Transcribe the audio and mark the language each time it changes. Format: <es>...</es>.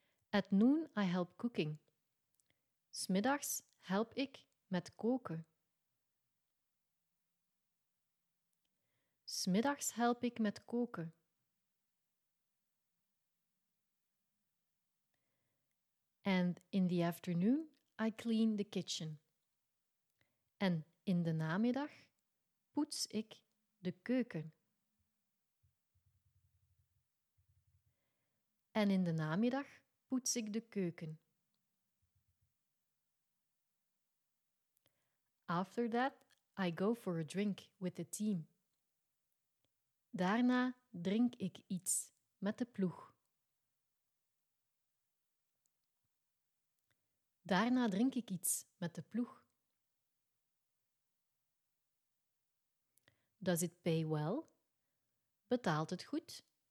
<en>At noon I help cooking.</en> <nl>'S Middags help ik met koken. 'S Middags help ik met koken.</nl> <en>And in the afternoon I clean the kitchen.</en> <nl>En in de namiddag poets ik de keuken. En in de namiddag poets ik de keuken.</nl> <en>After that, I go for a drink with the team.</en> <nl>Daarna drink ik iets met de ploeg. Daarna drink ik iets met de ploeg.</nl> <en>Does it pay well?</en> <nl>Betaalt het goed?</nl>